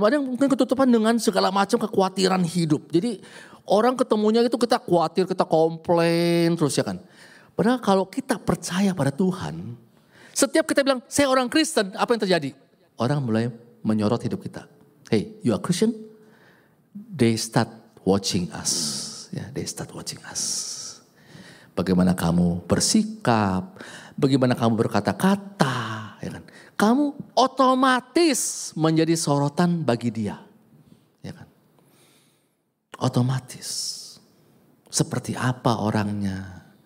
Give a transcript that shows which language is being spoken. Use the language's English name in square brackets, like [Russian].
[Indonesian] Ada yang mungkin ketutupan dengan segala macam kekhawatiran hidup. Jadi orang ketemunya itu kita khawatir, kita komplain terus ya kan. Padahal kalau kita percaya pada Tuhan, setiap kita bilang saya orang Kristen, apa yang terjadi? Orang mulai menyorot hidup kita. [English] Hey, you are Christian? They start watching us. Yeah, they start watching us. [Indonesian] Bagaimana kamu bersikap, bagaimana kamu berkata-kata, ya kan? Kamu otomatis menjadi sorotan bagi dia, ya kan? Otomatis. Seperti apa orangnya?